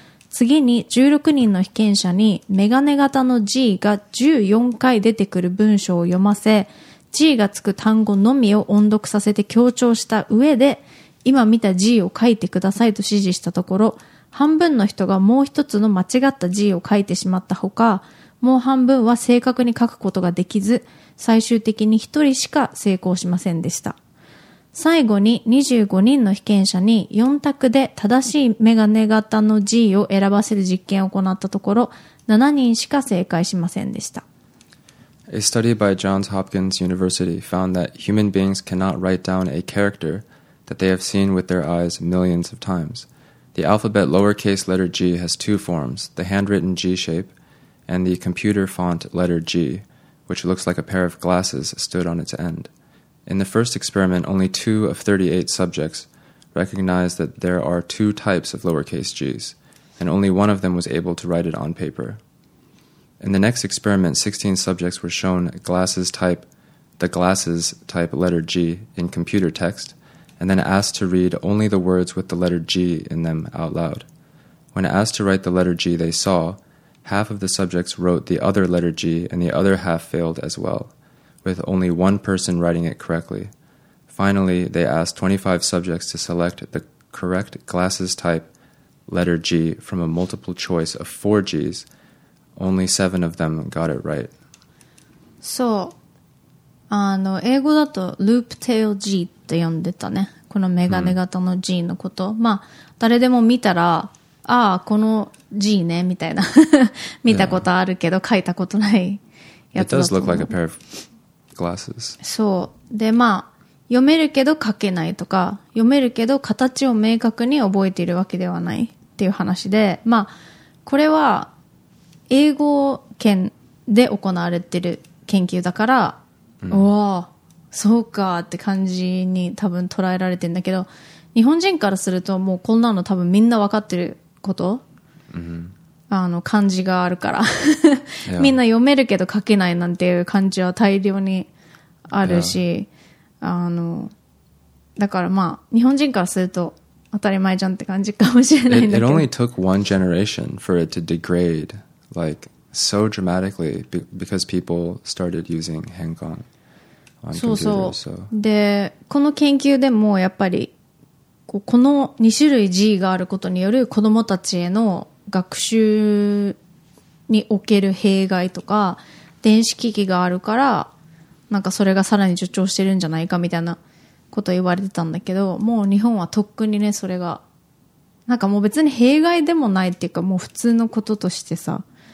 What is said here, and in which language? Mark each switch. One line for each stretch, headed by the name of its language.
Japanese: 次に16人の被験者にメガネ型の G が14回出てくる文章を読ませ、G がつく単語のみを音読させて強調した上で、今見た G を書いてくださいと指示したところ、半分の人がもう一つの間違った G を書いてしまったほか、もう半分は正確に書くことができず、最終的に一人しか成功しませんでした。最後に25人の被験者に4択で正しいメガネ型の G を選ばせる実験を行ったところ、7人しか正解しませんでした。
English: A study by Johns Hopkins University found that human beings cannot write down a character that they have seen with their eyes millions of times. The alphabet lowercase letter G has two forms, the handwritten G shape and the computer font letter G, which looks like a pair of glasses stood on its end. In the first experiment, only two of 38 subjects recognized that there are two types of lowercase g's, and only one of them was able to write it on paper. In the next experiment, 16 subjects were shown the glasses type letter G in computer text, and then asked to read only the words with the letter G in them out loud. When asked to write the letter G they saw, half of the subjects wrote the other letter G and the other half failed as well, with only one person writing it correctly. Finally, they asked 25 subjects to select the correct glasses type letter G from a multiple choice of four G's. Only 7 of them got it right.
Japanese: So, 英語だとループテイル G って呼んでたね。このメガネ型の G のこと。まあ、誰でも見たら、ああ、この G ね、みたいな。見たことあるけど、書いたことないやつだと思う。
English: It does look like a pair of glasses.
Japanese: そう。で、まあ、読めるけど書けないとか、読めるけど形を明確に覚えているわけではないっていう話で、まあ、これは英語圏で行われてる研究だから、うわぁ、そうかって感じに多分捉えられてるんだけど、日本人からするともうこんなの多分みんなわかってること、うん、漢字があるから。yeah. みんな読めるけど書けないなんていう漢字は大量にあるし、yeah. だからまあ、日本人からすると当たり前じゃんって感じかもしれないんだけど。
English: It only took one generation for it to degrade, like,so dramatically because people started using hengkan on computers.
Japanese: そうそう。で、この研究でもやっぱりこの2種類 G があることによる子どもたちへの学習における弊害とか電子機器があるからなんかそれがさらに助長してるんじゃないかみたいなこと言われてたんだけど、もう日本はとっくにねそれがなんかもう別に弊害でもないっていうかもう普通のこととしてさ。